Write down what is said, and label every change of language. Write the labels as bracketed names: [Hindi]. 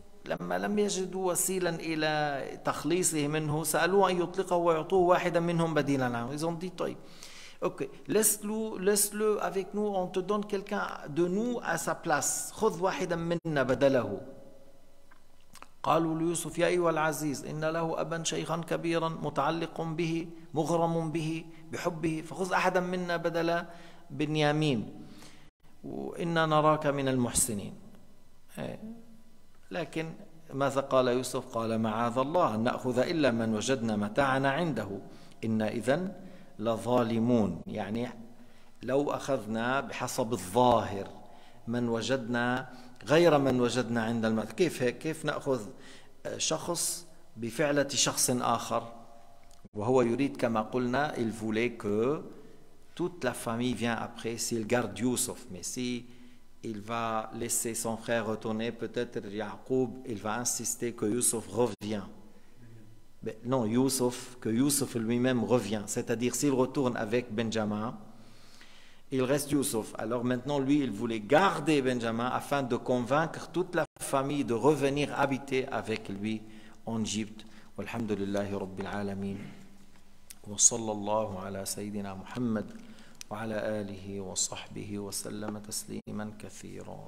[Arabic] لما لم يجدوا وسيلا إلى تخليصه منه سألوه أن يطلقه ويعطوه واحدا منهم بديلا عنه. [French] Ils ont dit [Arabic] طيب اوكي [French] laisse-le avec nous, on te donne quelqu'un de nous à sa place, [Arabic] خذ واحدا منا بدله. قالوا ليوسف يا أيها العزيز إن له أبا شيخا كبيرا متعلق به مغرم به بحبه فخذ أحدا منا بدلا بنيامين وإنا نراك من المحسنين. لكن ماذا قال يوسف؟ قال معاذ الله أن نأخذ إلا من وجدنا متاعنا عنده إنا إذن لظالمون. يعني لو أخذنا بحسب الظاهر من وجدنا غير من وجدنا عند المتاع، كيف هيك؟ كيف نأخذ شخص بفعلة شخص آخر وهو يريد كما قلنا [French] il voulait que toute la famille vienne après s'il garde Youssef, mais si il va laisser son frère retourner, peut-être Yaqub, il va insister que Youssef revient. Mais non, Youssef, que Youssef lui-même revient. C'est-à-dire, s'il retourne avec Benjamin, il reste Youssef. Alors maintenant, lui, il voulait garder Benjamin afin de convaincre toute la famille de revenir habiter avec lui en Égypte. [Arabic] Walhamdulillahi Rabbil Alameen. Wa sallallahu ala Sayyidina Muhammad. وعلى آله وصحبه وسلم تسليما كثيرا.